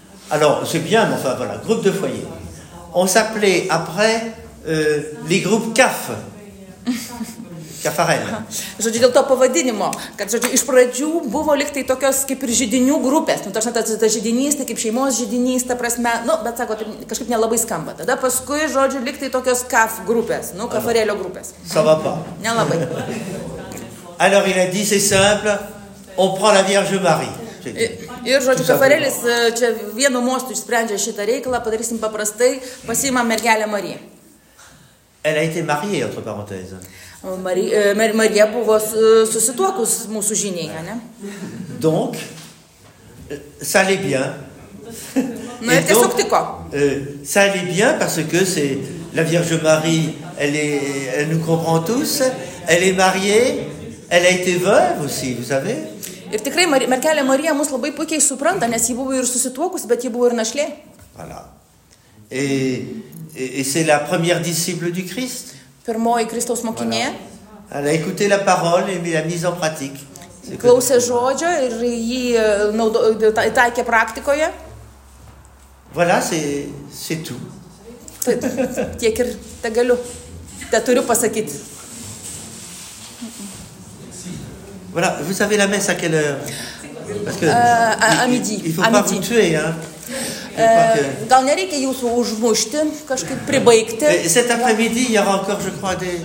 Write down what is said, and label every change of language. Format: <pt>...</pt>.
<fr>Alors, c'est bien, mais enfin, voilà, groupe de foyers. On s'appelait après les groupes CAF. CAFAREL.</fr> <lt>Žodžiu, dėl to pavadinimo, kad, žodžiu, iš pradžių buvo liktai tokios kaip ir židinių grupės. Nu, ta židinys, tai kaip šeimos židinys, ta prasme, nu, bet sako, tai kažkaip nelabai skamba. Tada paskui, žodžiu, liktai tokios CAF grupės, nu, CAFAREL'io grupės.</lt> <fr>Ça va pas.</fr> <lt>Nelabai.</lt> <fr>Alors, il a dit, c'est simple, on prend la Vierge Marie.</fr> <lt>Ir, žodžiu, CAFAREL'is čia vienu mostu išsprendžia šitą reikalą, padarysim paprastai, pasiima mergelę Mariją.</lt> <fr>Elle a été mariée, entre parenthèses.</fr> <lt>Marija buvo susituokus mūsų žiniai, ne?</lt> <fr>Donc, ça allait bien.</fr> <lt>Na, ir tiesiog tiko.</lt> <fr>Ça allait bien parce que c'est la Vierge Marie, elle nous comprend tous, elle est mariée, elle a été veuve aussi, vous savez.</fr> <lt>Ir tikrai, mergelė Marija mus labai puikiai supranta, nes ji buvo ir susituokus, bet ji buvo ir našlė.</lt> <fr>Voilà. Et c'est la première disciple du Christ.</fr> <lt>Pirmoji Kristaus mokinė.</lt> <fr>Elle a écouté la parole et l'a mise en pratique.</fr> <lt>Klausė žodžio ir jį taikė praktikoje.</lt> <fr>Voilà, c'est tout.</fr> <lt>Tiek ir te galiu. Te turiu pasakyti.</lt> <fr>Voilà, vous savez la messe à quelle heure? Parce que à midi. Il faut pas vous tuer, hein.</fr> <lt>Gal nereikia jūsų užmušti, kažkaip pribaigti.</lt> <fr>Cet après-midi, il y aura encore, je crois, des...</fr>